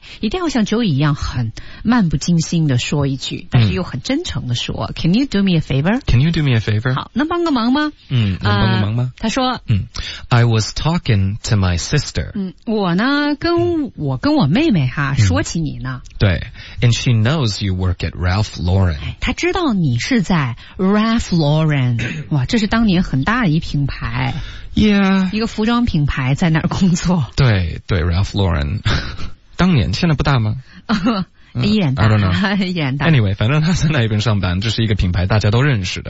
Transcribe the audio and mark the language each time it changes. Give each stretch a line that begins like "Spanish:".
Chinese: 一定要像 Joey 一样很漫不经心的说一句，但是又很真诚的说。
English: Can you do me a favor? Can you do me a favor?
Chinese: 好，能帮个忙吗？能帮个忙吗？他说，
English: I was talking to my sister.
Chinese: 我呢，跟我妹妹哈，说起你呢。
English: 对， and she knows you work at Ralph Lauren.
Chinese: 她知道你是在 Ralph Lauren. 哇，这是当年很大的一品牌。
English: Yeah.
Chinese: 一个服装品牌在那儿工作。对对， Ralph Lauren. 当年，现在不大吗？依然大。
English: I don't know.
Chinese: 依然大。 Anyway, 反正他在那边上班，这是一个品牌大家都认识的。